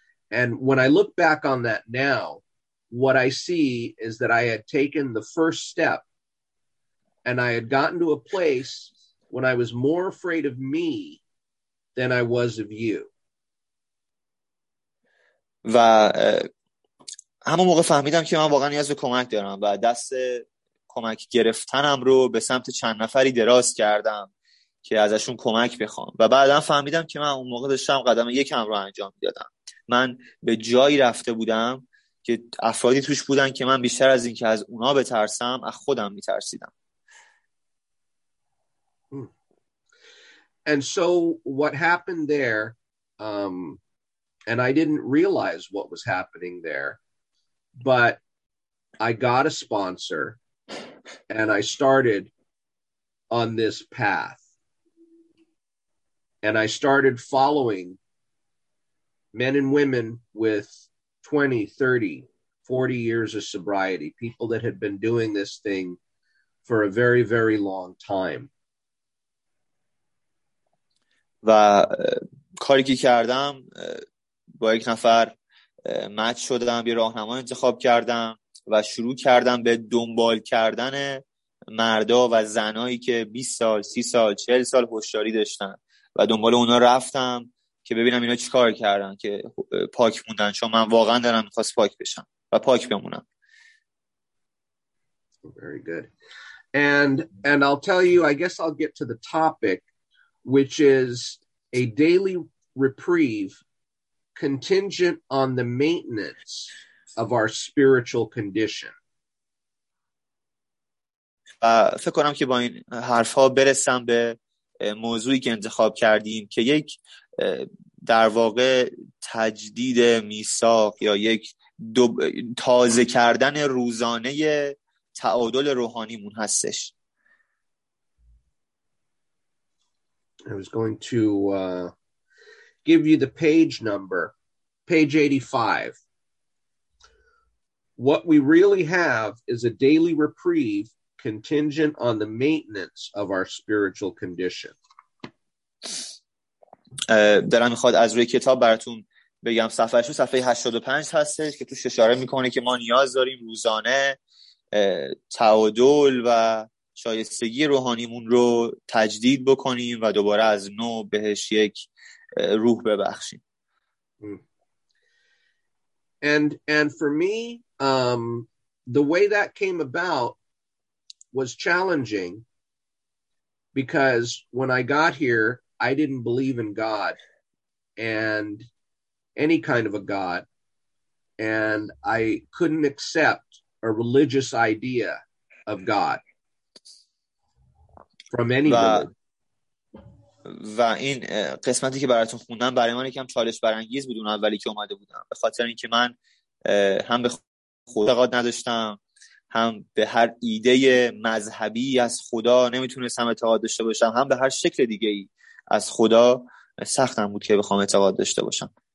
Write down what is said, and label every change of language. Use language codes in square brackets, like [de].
[en] And when I look back on that now, what I see is that I had taken the first step and I had gotten to a place when I was more afraid of me than I was of you. [fa] و همون موقع فهمیدم که من واقعا نیاز به کمک دارم و دست کمک گرفتنم رو به سمت چند نفری دراز کردم که ازشون کمک بخوام و بعدا فهمیدم که من اون موقع داشتم قدم یکم رو انجام میدادم. من به جایی رفته بودم که افرادی توش بودن که من بیشتر از این که از اونا بترسم از خودم میترسیدم. [en] And so what happened there, and I didn't realize what was happening there, but I got a sponsor and I started on this path and I started following men and women with 20, 30, 40 years of sobriety, people that had been doing this thing for a very, very long time. [fa] و کاری که کردم با یک نفر مچ شدم، یه راهنما انتخاب کردم و شروع کردم به دنبال کردن مردا و زنایی که 20 سال 30 سال 40 سال هوشیاری داشتن و دنبال اونا رفتم که ببینم اینا چی کار کردن که پاک موندن، چون من واقعا دارم میخواست پاک بشم و پاک بمونم. [en] Very good. And I'll tell you, I guess I'll get to the topic, which is a daily reprieve contingent on the maintenance of our spiritual condition. [fa] فکر کنم که با این حرف‌ها برسم به موضوعی که انتخاب کردیم که یک در واقع تجدید میثاق یا یک تازه کردن روزانه تعادل روحانیمون هستش. [en] I was going to give you the page number, page 85. What we really have is a daily reprieve contingent on the maintenance of our spiritual condition. [fa] دارم میخواد از روی کتاب براتون بگم، صفحهشون صفحه 85 هستش که توش اشاره میکنه که ما نیاز داریم روزانه تعادل و شایستگی روحانیمون رو تجدید بکنیم و دوباره از نو بهش یک روح ببخشیم. [en] And for me, the way that came about was challenging because when I got here, I didn't believe in God and any kind of a God, and I couldn't accept a religious idea of God from any [fa] و این قسمتی که براتون خوندم برای من یکم چالش برانگیز بود اون اولی که اومده بودم، به خاطر اینکه من هم به خدا اعتقاد نداشتم، هم به هر ایده مذهبی از خدا نمیتونستم اعتقاد داشته باشم، هم به هر شکل دیگه ای از خدا سختم بود که بخوام اعتقاد داشته باشم.